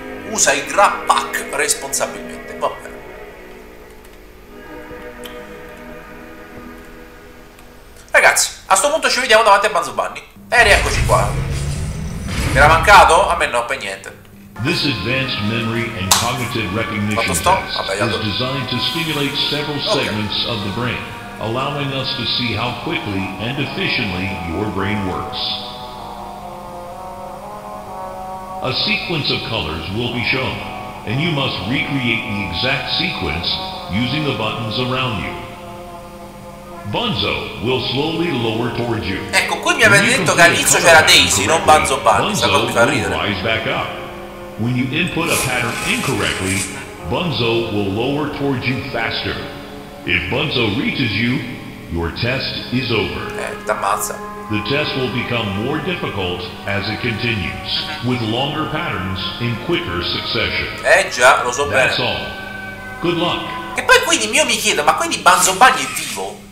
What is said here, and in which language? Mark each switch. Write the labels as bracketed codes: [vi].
[it] Usa il grappac responsabilmente. Vabbè. Ragazzi, a sto punto ci vediamo davanti a Banzo Bunny. E rieccoci qua. Mi era mancato? A me no, per niente. [en] This advanced memory and cognitive recognition test is designed to stimulate several segments of the brain, allowing us to see how quickly and efficiently your brain works. A sequence of colors will be shown, and you must recreate the exact sequence using the buttons around you. Bunzo will slowly lower towards you. [it] Ecco, qui mi avete detto che all'inizio c'era Daisy, non Banzo Bunny. Bunzo mi fa ridere. [en] Will rise back up. When you input a pattern incorrectly, Bunzo will lower towards you faster. If Bunzo reaches you, your test is over. [it] T'ammazza. [en] The test will become more difficult as it continues, with longer patterns in quicker succession. [it] Già, lo so [en] That's [it] bene. [en] All. Good luck. [it] E poi quindi io mi chiedo, ma quindi Banzo Bunny è vivo?